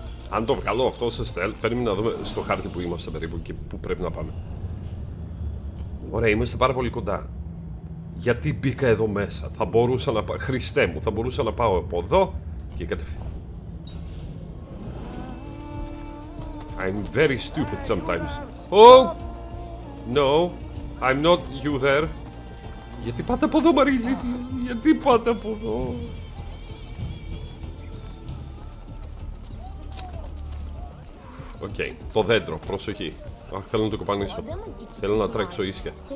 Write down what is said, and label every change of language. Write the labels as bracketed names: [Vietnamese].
[Greek] Αν το βγάλω αυτό σε στέλ, πρέπει να δούμε στο χάρτη που είμαστε περίπου και πού πρέπει να πάμε. Ωραία, είμαστε πάρα πολύ κοντά. Γιατί μπήκα εδώ μέσα. Θα μπορούσα να πάω. Χριστέ μου, θα μπορούσα να πάω από εδώ και κατευθείαν. [English] I'm very stupid sometimes. Oh! No, I'm not you there. [Greek] Γιατί πάτε από εδώ, Μαρίλη, γιατί πάτε από εδώ. Οκ, okay, το δέντρο, προσοχή. Αχ, θέλω να το κοπανίσω. Θέλω να τρέξω ίσια.